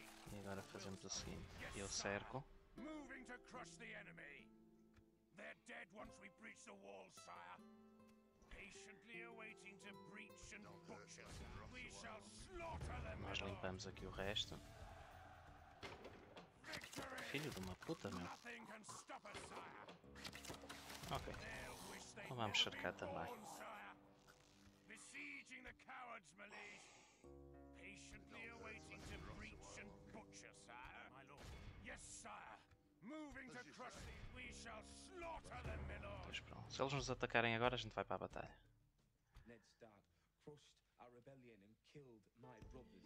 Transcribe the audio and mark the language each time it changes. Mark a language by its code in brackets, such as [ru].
[pt] E agora fazemos o seguinte: eu cerco. [en] Moving to crush the enemy. They're dead once we breach the wall, sire. Patiently awaiting to breach and butcher. We shall slaughter them. [pt] Nós limpamos aqui o resto. [en] Victory! [pt] Filho de uma puta, meu. [en] Nothing can stop us, sire. Ok. [pt] Então vamos cercar também. [en] Besieging the cowards, my liege. Patiently awaiting to breach and butcher, sire. My lord. Yes, sire. Moving to crush them, we shall slaughter them, my lord. [pt] Pois pronto, se eles nos atacarem agora, a gente vai para a batalha. [en] Ned Stark crushed our rebellion and killed my brothers.